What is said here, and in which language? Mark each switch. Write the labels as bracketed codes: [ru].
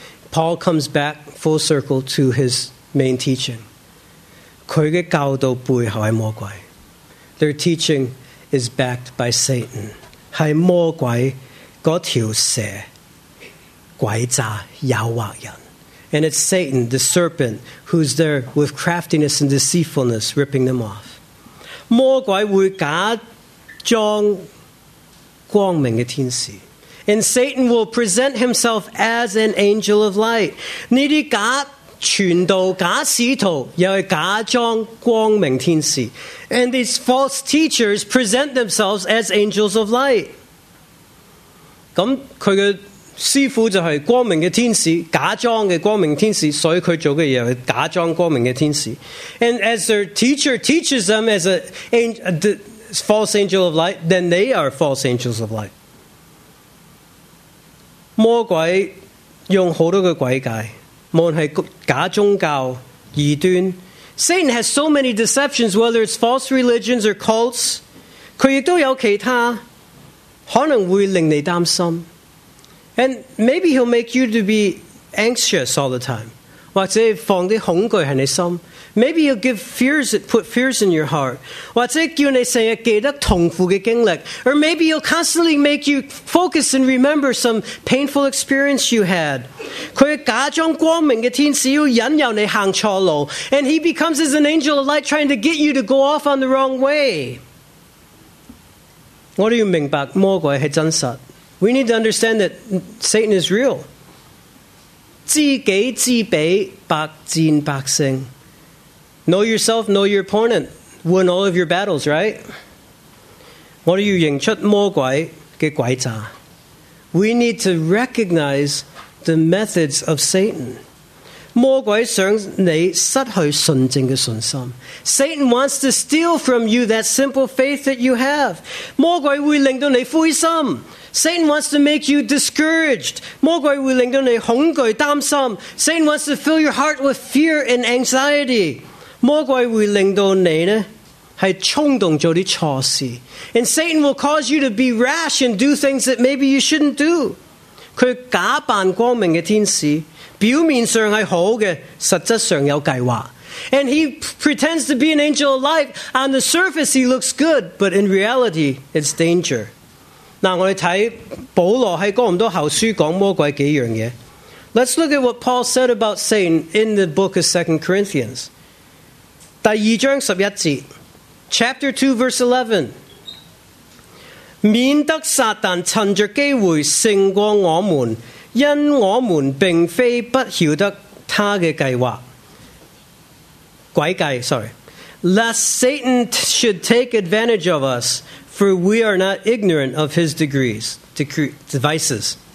[en] Paul comes back full circle to his main teaching. [zh] 他的教导背后是魔鬼。 [en] Their teaching is backed by Satan. [zh] 是魔鬼那条蛇诡诈诱惑人。 [en] And it's Satan, the serpent, who's there with craftiness and deceitfulness, ripping them off. [zh] 魔鬼会假装光明的天使。 [en] And Satan will present himself as an angel of light. [zh] 你的假传道假使徒又是假装光明天使 [en] And these false teachers present themselves as angels of light. [zh] 那他的师父就是光明的天使假装的光明天使所以他做的事是假装光明的天使 [en] And as their teacher teaches them as a false angel of light, then they are false angels of light. [zh] 魔鬼用很多的诡计无论是假宗教异端 [en] Satan has so many deceptions whether it's false religions or cults [zh] 他也有其他可能会令你担心 [en] And maybe he'll make you to be anxious all the time [zh] 或者放些恐惧在你心 [en] Maybe he'll give fears, put fears in your heart [zh] 或者叫你成日记得痛苦的经历 [en] Or maybe he'll constantly make you focus and remember some painful experience you had And he becomes as an angel of light trying to get you to go off on the wrong way. What do you mean by [zh] 魔鬼是真实? [en] We need to understand that Satan is real. [zh] 自己自卑百战百胜 [en] Know yourself, know your opponent. Win all of your battles, right? [zh] 我要认出魔鬼的诡诈 [en] We need to recognize the methods of Satan. [zh] 魔鬼想你失去纯正的信心。 [en] Satan wants to steal from you that simple faith that you have. [zh] 魔鬼会令到你灰心。 [en] Satan wants to make you discouraged. [zh] 魔鬼会令到你恐惧担心。 [en] Satan wants to fill your heart with fear and anxiety. [zh] 魔鬼会令到你呢是冲动做的错事。 [en] And Satan will cause you to be rash and do things that maybe you shouldn't do. [zh] 他假扮光明的天使，表面上是好的，实质上有计划。 [en] And he pretends to be an angel of light. On the surface, he looks good, but in reality, it's danger. [zh] 那我们看保罗在哥林多后书讲魔鬼几样嘢。 [en] Let's look at what Paul said about Satan in the book of 2 Corinthians. [zh] 第二章十一节 [en] ，Chapter 2, verse 11. [zh] 免得撒旦趁着机会胜过我们，因我们并非不晓得他的计划。诡计 [en] ，sorry， lest Satan should take advantage of us, for we are not ignorant of his devices.